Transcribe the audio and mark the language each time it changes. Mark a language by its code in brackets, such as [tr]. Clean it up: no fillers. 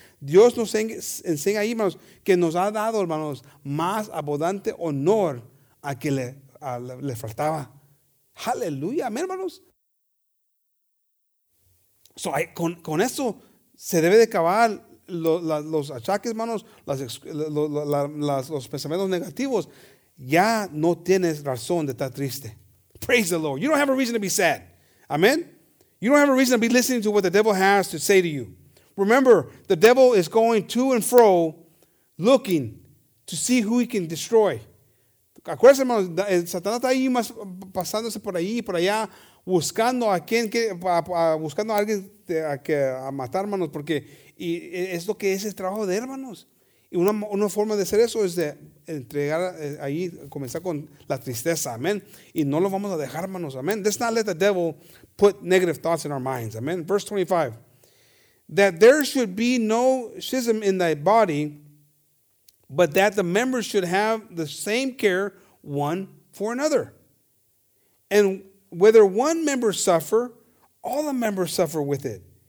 [es] Dios nos enseña ahí, hermanos, que nos ha dado, hermanos, más abundante honor a que le faltaba. Aleluya, amén, hermanos. So, con eso se debe de acabar los achaques, hermanos, los pensamientos negativos. Ya no tienes razón de estar triste. [en] Praise the Lord. You don't have a reason to be sad. Amen. You don't have a reason to be listening to what the devil has to say to you. Remember, the devil is going to and fro looking to see who he can destroy. [es] Acuérdense, hermanos, Satanás está ahí más pasándose por ahí y por allá buscando a quien, buscando a alguien a matar, hermanos, porque y es lo que es el trabajo de hermanos. Y una forma de hacer eso es de entregar ahí, comenzar con la tristeza, amén. Y no lo vamos a dejar, hermanos, amén. [en] Let's not let the devil put negative thoughts in our minds, amén. Verse 25. That there should be no schism in thy body, but that the members should have the same care one for another. And whether one member suffer, all the members suffer with it.